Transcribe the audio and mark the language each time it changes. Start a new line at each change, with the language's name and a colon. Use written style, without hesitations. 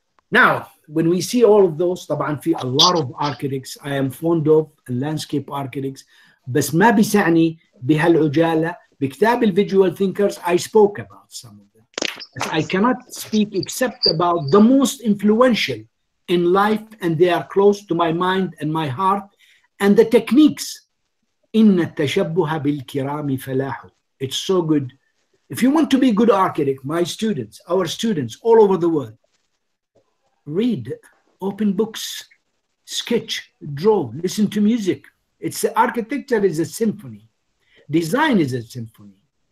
English: Now, when we see all of those,
Arabic: طبعاً في
English: a lot of architects, I am fond of landscape architects,
Arabic: بس ما بيسعني بهالعجالة بكتاب الـ
English: Visual Thinkers, I spoke about some of them. I cannot speak except about the most influential in life, and they are close to my mind and my heart, and the techniques.
Arabic: إِنَّ التَّشَبُّهَ بِالْكِرَامِ فَلَاحُ
English: It's so good. If you want to be a good architect, my students, our students, all over the world, Read, open books, sketch, draw, listen to music. It's architecture is a symphony. Design is a symphony.